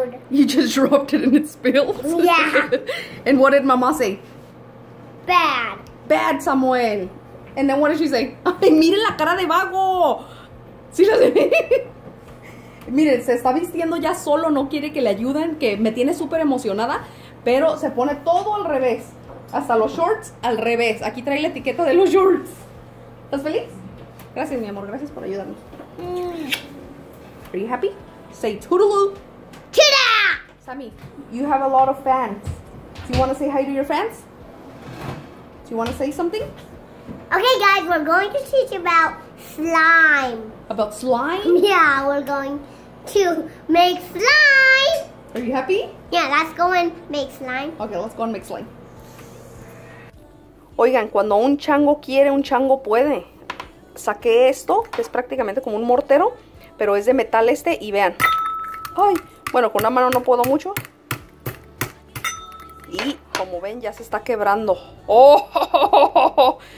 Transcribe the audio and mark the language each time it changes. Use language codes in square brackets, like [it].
[en] I just dropped it and it spilled. Yeah. And what did mama say? Bad. Bad, Samuel. And then what did she say? [es] ¡Ay, miren la cara de vago! ¿Sí lo sé? Miren, se está vistiendo ya solo, no quiere que le ayuden, que me tiene súper emocionada, pero se pone todo al revés. Hasta los shorts al revés. Aquí trae la etiqueta de los shorts. ¿Estás feliz? Gracias, mi amor. Gracias por ayudarme. [en] Are you happy? Say toodaloo. [es] Tira! [en] Sammy, you have a lot of fans. Do you want to say hi to your fans? Yes. Do you want to say something? Okay, guys, we're going to teach about slime. About slime? Yeah, we're going to make slime. Are you happy? Yeah, let's go and make slime. Okay, let's go and make slime. [es] Oigan, cuando un chango quiere, un chango puede. Saqué esto, que es prácticamente como un mortero, pero es de metal este, y vean. Ay, bueno, con una mano no puedo mucho. Y como ven, ya se está quebrando. ¡Oh!